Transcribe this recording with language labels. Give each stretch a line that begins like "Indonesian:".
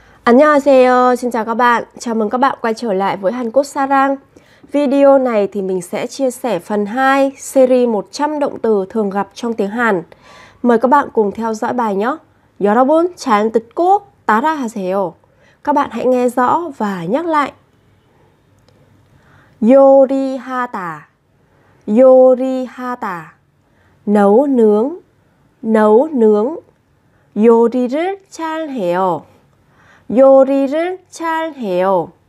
Vietnamese: Annyeonghaseyo, xin chào các bạn. Chào mừng các bạn quay trở lại với Hàn Quốc Sarang. Video này thì mình sẽ chia sẻ phần 2 series 100 động từ thường gặp trong tiếng Hàn. Mời các bạn cùng theo dõi bài nhé.
Korean: 여러분, 잘 듣고 따라하세요.
Vietnamese: Các bạn hãy nghe rõ và nhắc lại.
Korean: 요리하다 요리하다
Vietnamese: Nấu nướng Nấu nướng
Korean: 요리를 잘 해요 요리를 잘 해요.